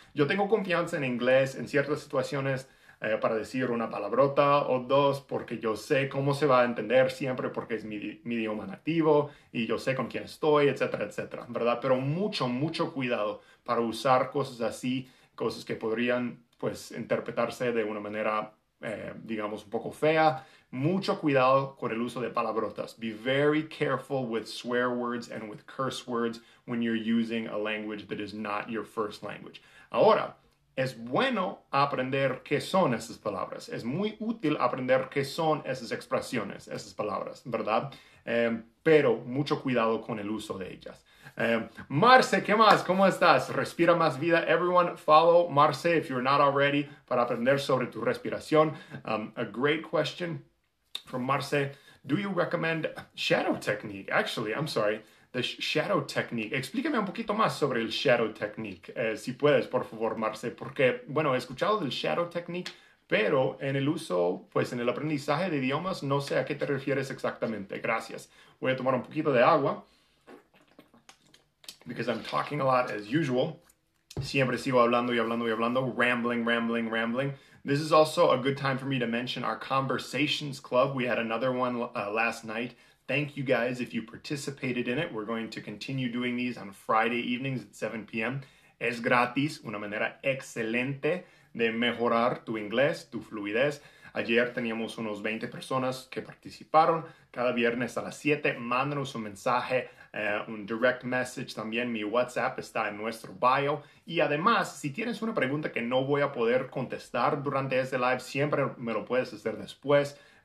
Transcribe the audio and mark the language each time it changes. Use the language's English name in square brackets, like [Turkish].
[Spanish] Yo tengo confianza en inglés en ciertas situaciones para decir una palabrota o dos, porque yo sé cómo se va a entender siempre, porque es mi idioma nativo y yo sé con quién estoy, etcétera, etcétera, ¿verdad? Pero mucho, mucho cuidado para usar cosas así, cosas que podrían, pues, interpretarse de una manera, digamos, un poco fea. Mucho cuidado con el uso de palabrotas. [English] Be very careful with swear words and with curse words when you're using a language that is not your first language. [Spanish] Ahora, es bueno aprender qué son esas palabras. Es muy útil aprender qué son esas expresiones, esas palabras, ¿verdad? Pero mucho cuidado con el uso de ellas. Marce, ¿qué más? ¿Cómo estás? Respira más vida. [English] Everyone, follow Marce if you're not already [Spanish] para aprender sobre tu respiración. [English] A great question from Marce. Do you recommend shadow technique? Actually, I'm sorry. The shadow technique. [Spanish] Explícame un poquito más sobre el shadow technique, si puedes, por favor, Marce, porque, bueno, he escuchado del shadow technique, pero en el uso, pues, en el aprendizaje de idiomas, no sé a qué te refieres exactamente. Gracias. Voy a tomar un poquito de agua, [English] because I'm talking a lot, as usual. [Spanish] Siempre sigo hablando y hablando y hablando, rambling. [English] This is also a good time for me to mention our Conversations Club. We had another one last night. Thank you guys if you participated in it. We're going to continue doing these on Friday evenings at 7 p.m. [Spanish] Es gratis, una manera excelente de mejorar tu inglés, tu fluidez. Ayer teníamos unos 20 personas que participaron. Cada viernes a las 7, mándanos un mensaje, un direct message. También mi WhatsApp está en nuestro bio. Y además, si tienes una pregunta que no voy a poder contestar durante este live, siempre me lo puedes hacer después.